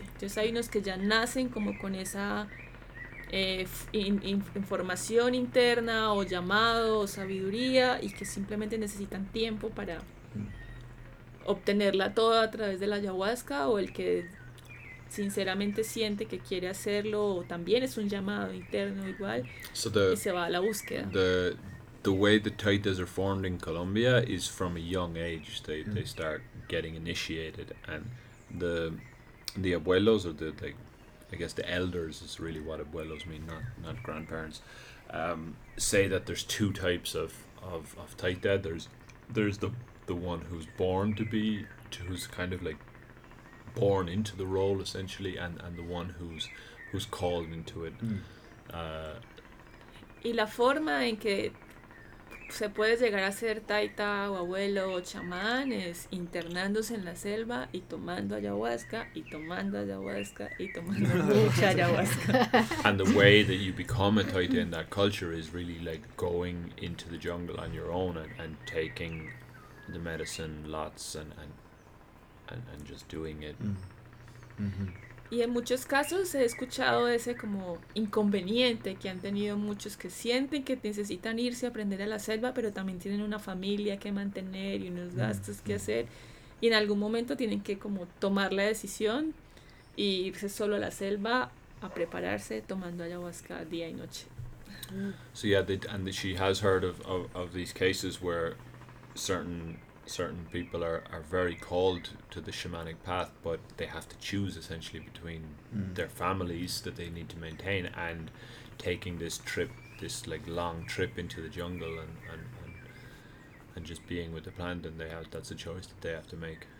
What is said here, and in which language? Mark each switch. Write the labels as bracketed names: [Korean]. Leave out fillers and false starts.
[Spanish] Entonces hay unos que ya nacen como con esa información interna o llamado o sabiduría, y que simplemente necesitan tiempo para obtenerla toda a través de la ayahuasca, o el que sinceramente siente que quiere hacerlo, o también es un llamado interno igual, y se va a la búsqueda. [English] The way the taitas are formed in Colombia is from a young age they start getting initiated, and the abuelos, or the I guess the elders is really what abuelos mean, not grandparents, say that there's two types of taita. There's the one who's born to be, who's kind of like born into the role essentially, and the one who's called into it. [Spanish] Y la forma en que se puede llegar a ser taita o abuelo o chamán es internándose en la selva y tomando ayahuasca mucha ayahuasca. [English] And the way that you become a taita in that culture is really like going into the jungle on your own and taking the medicine lots and just doing it. [Spanish] Y en muchos casos he escuchado ese como inconveniente que han tenido muchos, que sienten que necesitan irse a aprender a la selva, pero también tienen una familia que mantener y unos gastos que hacer, y en algún momento tienen que como tomar la decisión e irse solo a la selva a prepararse tomando ayahuasca día y noche. [English] So yeah, she has heard of these cases where certain people are very called to the shamanic path, but they have to choose essentially between their families that they need to maintain and taking this trip, this like long trip into the jungle and just being with the plant, and that's a choice that they have to make.